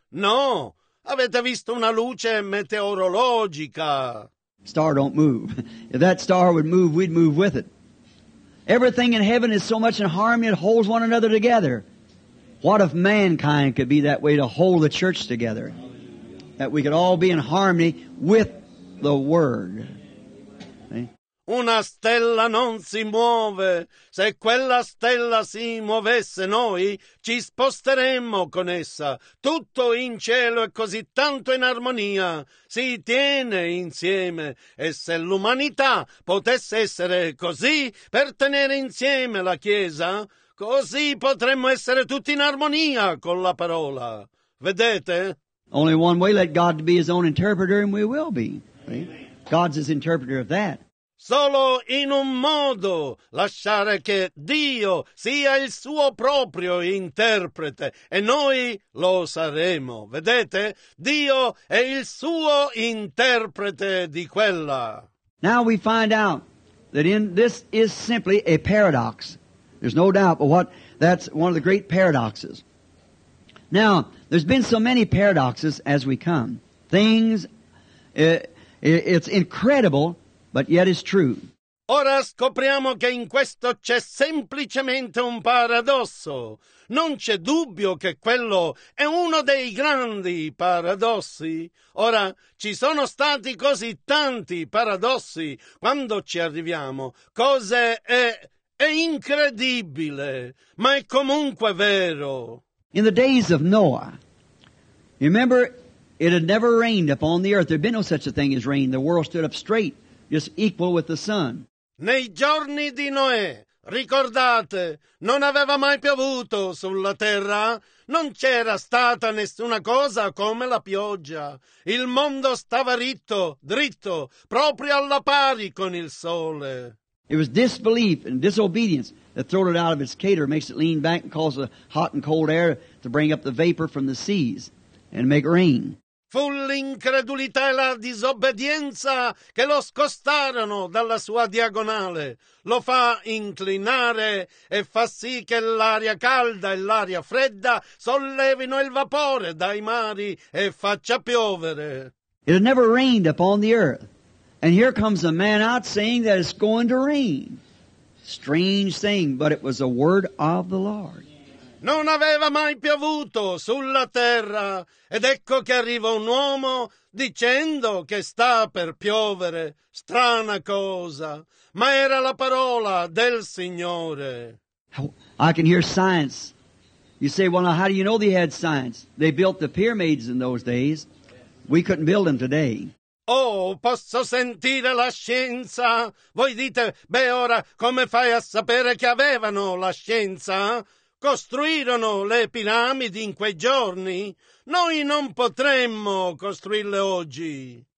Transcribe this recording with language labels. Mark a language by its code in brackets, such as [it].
[it] No, avete visto una luce meteorologica. [en] Star don't move. If that star would move, we'd move with it. Everything in heaven is so much in harmony, it holds one another together. What if mankind could be that way to hold the church together? That we could all be in harmony with the Word. See? [it] Una stella non si muove. Se quella stella si muovesse, noi ci sposteremmo con essa. Tutto in cielo è così tanto in armonia. Si tiene insieme. E se l'umanità potesse essere così per tenere insieme la Chiesa, così potremmo essere tutti in armonia con la parola. Vedete? [en] Only one way, let God be his own interpreter and we will be. Amen. God's his interpreter of that. [it] Solo in un modo lasciare che Dio sia il suo proprio interprete e noi lo saremo. Vedete? Dio è il suo interprete di quella. [en] Now we find out that in this is simply a paradox. There's no doubt, but what that's one of the great paradoxes. Now, there's been so many paradoxes as we come. Things, It's incredible, but yet it's true. [it] Ora scopriamo che in questo c'è semplicemente un paradosso. Non c'è dubbio che quello è uno dei grandi paradossi. Ora, ci sono stati così tanti paradossi. Quando ci arriviamo, cose è incredibile, ma è comunque vero. [en] In the days of Noah, you remember, it had never rained upon the earth. There'd been no such a thing as rain. The world stood up straight, just equal with the sun. [it] Nei giorni di Noè, ricordate, non aveva mai piovuto sulla terra. Non c'era stata nessuna cosa come la pioggia. Il mondo stava ritto, dritto, proprio alla pari con il sole. [en] It was disbelief and disobedience that throwed it out of its cater, makes it lean back and cause the hot and cold air to bring up the vapor from the seas and make rain. [it] Fu l'incredulità e la disobbedienza che lo scostarono dalla sua diagonale. Lo fa inclinare e fa sì che l'aria calda e l'aria fredda sollevino il vapore dai mari e faccia piovere. [en] It had never rained upon the earth. And here comes a man out saying that it's going to rain. Strange thing, but it was a word of the Lord. [it] Non aveva mai piovuto sulla terra, ed ecco che arriva un uomo dicendo che sta per piovere. Strana cosa, ma era la parola del Signore. [en] I can hear science. You say, well, now how do you know they had science? They built the pyramids in those days. We couldn't build them today. [it] Oh, posso sentire la scienza. Voi dite, beh, ora come fai a sapere che avevano la scienza? Costruirono le piramidi in quei giorni? Noi non potremmo costruirle oggi.